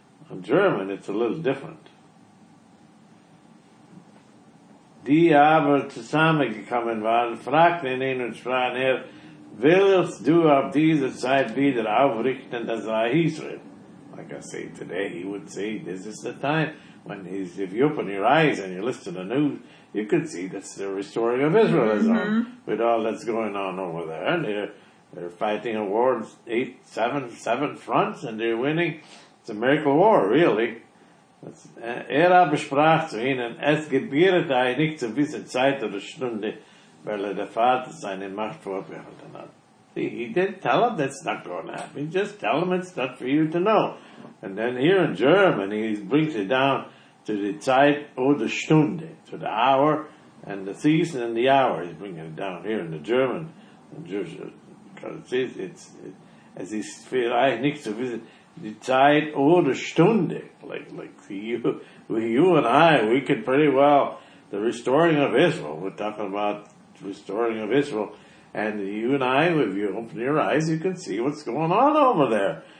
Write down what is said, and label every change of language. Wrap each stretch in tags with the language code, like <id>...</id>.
<en>On German, it's a little different.</en> <de>Die aber zusammengekommen waren, fragten ihn und sprachen, Herr, willst du auf dieser Zeit wieder aufrichten das Reich Israel?</de> <en>Like I say today, he would say, this is the time when he's, if you open your eyes and you listen to the news, you can see that's the restoring of Israelism, mm-hmm. with all that's going on over there. And they're fighting a war, seven fronts, and they're winning. It's a miracle war, really.</en> <de>Er aber sprach zu ihnen, es gebiere dich nicht zu dieser Zeit oder Stunde, weil der Vater seine Macht vorbehalten hat.</de> <en>See, he didn't tell them that's not going to happen. Just tell them it's not for you to know. And then here in German, he brings it down to the</en> <de>Zeit oder Stunde,</de> <en>to the hour and the season and the hour. He's bringing it down here in the German. Because it's as he's</en> <de>vielleicht nicht zu wissen, die Zeit oder Stunde,</de> <en>like you and I, we can pretty well, the restoring of Israel, we're talking about the restoring of Israel, and you and I, if you open your eyes, you can see what's going on over there.</en>